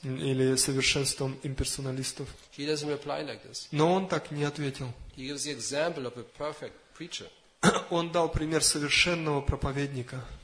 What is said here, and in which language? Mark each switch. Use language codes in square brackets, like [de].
[ru] Или совершенством имперсоналистов. [en] He doesn't reply like this. [ru] Но он так не ответил. [en] He gives the example of a perfect preacher. [ru] Он дал пример совершенного проповедника.